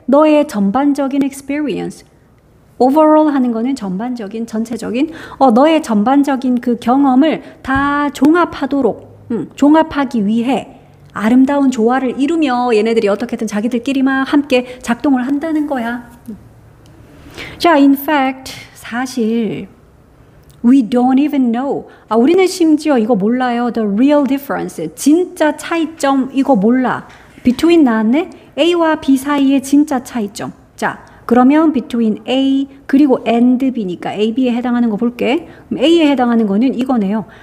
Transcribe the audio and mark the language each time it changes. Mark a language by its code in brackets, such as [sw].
[ko] 너의 전반적인 [en] experience. [ko] Overall 하는 거는 전반적인, 전체적인, 너의 전반적인 그 경험을 다 종합하도록, 종합하기 위해 아름다운 조화를 이루며 얘네들이 어떻게든 자기들끼리 막 함께 작동을 한다는 거야. [en] 자, in fact, 사실, we don't even know. [ko] 아, 우리는 심지어 이거 몰라요. [en] The real difference. [ko] 진짜 차이점, 이거 몰라. Between 나왔네? A와 B 사이의 진짜 차이점. 자. 그러면 between A 그리고 and B니까 AB에 해당하는 거 볼게. A에 해당하는 거는 이거네요.